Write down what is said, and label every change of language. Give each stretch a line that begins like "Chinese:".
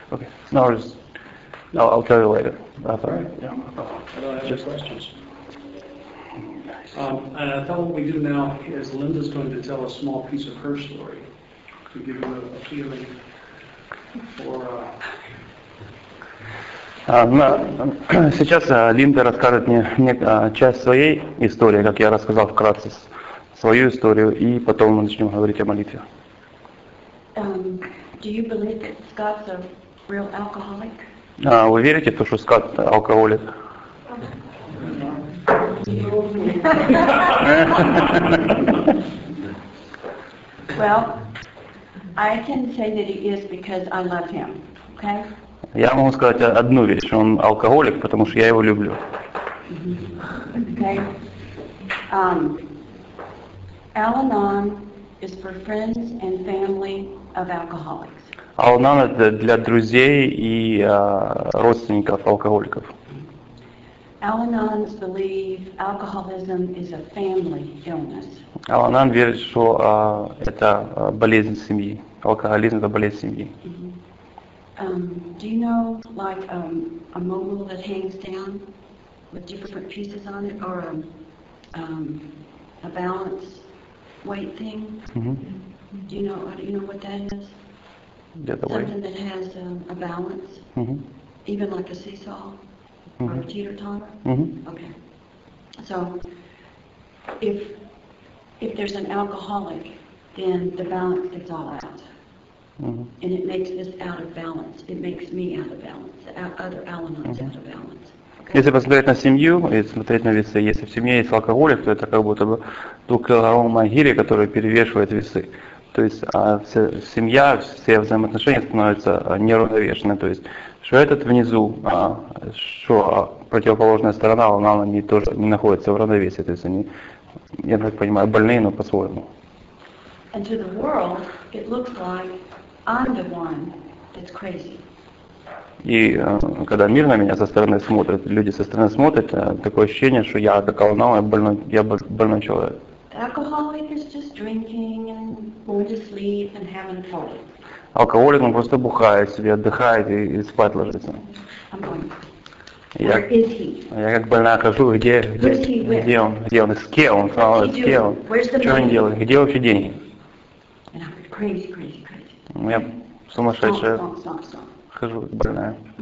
English: Okay. No, just, no. I'll tell you later. That's all right. Yeah. I don't have any questions. And I thought what we do now is Linda's going to tell a small piece of her story to give you a feeling for.
Russian: Сейчас Линда расскажет мне часть своей истории, как я рассказал вкратце свою историю, и потом мы начнем говорить о молитве.
English: Do you believe that Scott's a real alcoholic?
Russian: Вы верите в то, что Скотт алкоголик?
English: Well, I can say that he is because I love him. Okay?
Russian: Я могу сказать одну вещь. Он алкоголик, потому что я его люблю.
English: Okay. Al-Anon is for friends and family of alcoholics.
Russian: Al-Anon это для друзей и родственников алкоголиков.
English: Al-Anons believe alcoholism is a family illness.
Russian: Al-Anon верит, что это болезнь семьи. Алкоголизм это болезнь семьи.
English: Do you know like a mobile that hangs down with different pieces on it or a balance weight thing? Mm-hmm. Do you know what that is? Yeah, something That has a balance? Mm-hmm. Even like a seesaw? Mm-hmm. Or a teeter-totter? Mm-hmm. Okay. So if there's an alcoholic, then the balance gets all out. Mm-hmm. And it makes this out of balance. It makes me out of balance. Other Al-Anons mm-hmm. out of balance. Okay.
Russian: Если посмотреть на семью и смотреть на весы, если в семье есть алкоголик, то это как будто бы двухкилограммовая могила, которая перевешивает весы. То есть семья, все взаимоотношения становятся неравновешенными. То есть что этот внизу, что противоположная сторона, она не тоже не находится в равновесии. То есть они, я так понимаю, больные, но по-своему.
English: And to the world, it looks like I'm the one that's crazy.
Russian: И когда мир на меня со стороны смотрит, люди со стороны смотрят, такое ощущение, что я как колонал, я больной человек.
English: Alcoholic is just drinking and going to sleep and having a party.
Russian: Алкоголик, он просто бухает себе, отдыхает и спать ложится. Я как больная хожу, где он, с кем он, что он делает, где вообще деньги? Я сумасшедшая, хожу, больная.